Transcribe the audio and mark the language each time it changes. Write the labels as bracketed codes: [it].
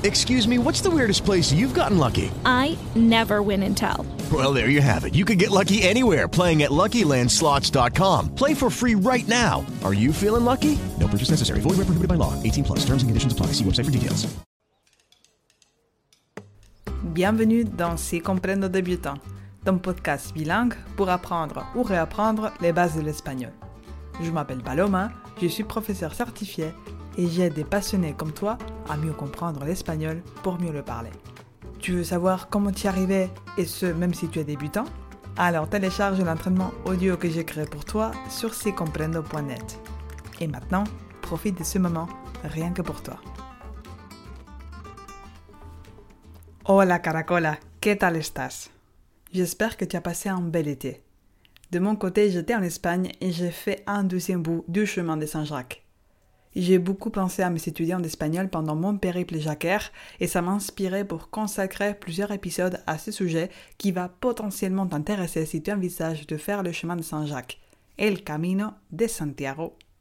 [en] Excuse me, what's the weirdest place you've gotten lucky? I never win and tell. Well, there you have it. You can get lucky anywhere, playing at LuckyLandSlots.com. Play for free right now. Are you feeling lucky? No purchase necessary. Void where prohibited by law. 18 plus. Terms and conditions apply. See website for details. [fr] Bienvenue dans C'est comprendre aux débutants, ton podcast bilingue pour apprendre ou réapprendre les bases de l'espagnol. Je m'appelle Paloma, je suis professeur certifié et j'aide des passionnés comme toi à mieux comprendre l'espagnol pour mieux le parler. Tu veux savoir comment t'y arriver et ce même si tu es débutant? Alors télécharge l'entraînement audio que j'ai créé pour toi sur cicomprendo.net. Et maintenant, profite de ce moment rien que pour toi. [es] Hola Caracola, ¿qué tal estás? [fr] J'espère que tu as passé un bel été. De mon côté, j'étais en Espagne et j'ai fait un deuxième bout du chemin de Saint-Jacques. J'ai beaucoup pensé à mes étudiants d'espagnol pendant mon périple jacquaire et ça m'a inspiré pour consacrer plusieurs épisodes à ce sujet qui va potentiellement t'intéresser si tu envisages de faire le chemin de Saint-Jacques, El Camino de Santiago.